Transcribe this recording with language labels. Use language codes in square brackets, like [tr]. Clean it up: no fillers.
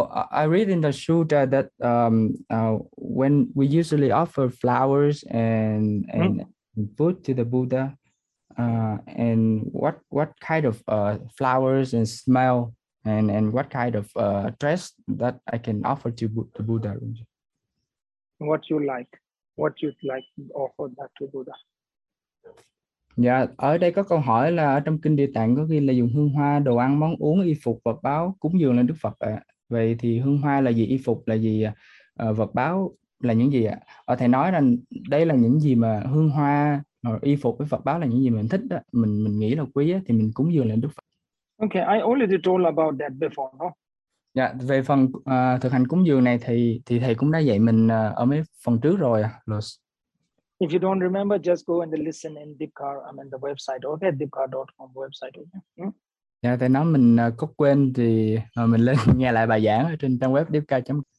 [en] I read in the sutta that when we usually offer flowers and food to the Buddha, and what kind of flowers and smell and what kind of dress that I can offer to Buddha, Rinpoche? What you like. What you'd like to offer that to Buddha? [vi] Dạ, ở đây có câu hỏi là ở trong kinh Địa Tạng có ghi là dùng hương hoa, đồ ăn, món uống, y phục, vật báo cúng dường lên Đức Phật ạ. Vậy thì hương hoa là gì, y phục là gì, vật báo là những gì ạ? Thầy nói rằng đây là những gì mà hương hoa, y phục với vật báo là những gì mình thích đó, mình nghĩ là quý á, thì mình cúng dường lên Đức Phật. [en] Okay, I already told about that before, no? [vi] Dạ, về phần thực hành cúng dường này thì thầy cũng đã dạy mình ở mấy phần trước rồi ạ. [en] If you don't remember, just go and listen in Dipkar, I mean the website, okay, dipkar.com website, okay? [vi] Yeah, they nói mình có quên thì mình lên nghe lại bài giảng ở trên trang web dipkar.com.